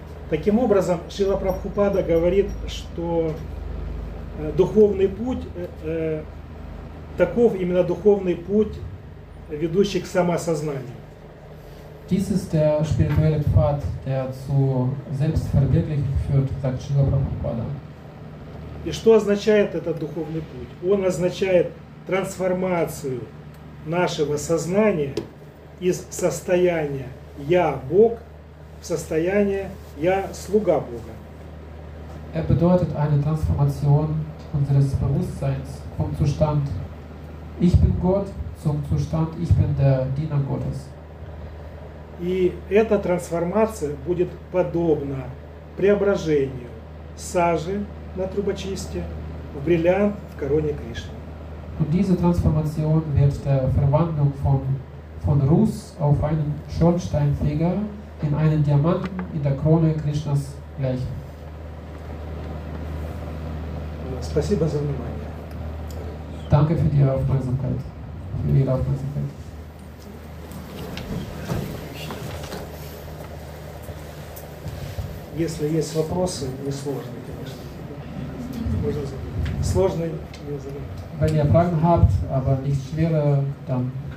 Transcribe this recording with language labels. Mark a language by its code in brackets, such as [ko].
[ru] Таким образом, Шрила Прабхупада говорит, что духовный путь таков именно духовный путь, ведущий к самоосознанию. [de] Dies ist der spirituelle Pfad, der zu Selbstverwirklichung führt, sagt Шрила Прабхупада. [ru] И что означает этот духовный путь? Он означает трансформацию нашего сознания из состояния «Я – Бог» в состояние «Я – слуга Бога». [de] Er bedeutet eine Transformation unseres Bewusstseins vom Zustand «Ich bin Gott» zum Zustand «Ich bin der Diener Gottes». [ru] И эта трансформация будет подобна преображению сажи на трубочисте в бриллиант в короне Кришны. [de] Und diese Transformation wird der Verwandlung von Ruß auf einen Schornsteinfeger in einen Diamanten in der Krone Krishnas gleichen. [ru] Спасибо за внимание. [de] Danke für die Aufmerksamkeit. Für Ihre Aufmerksamkeit. [ru] Если есть вопросы, несложные, конечно. Сложные, не задавайте. [de] Wenn ihr Fragen habt, aber nicht schwere, dann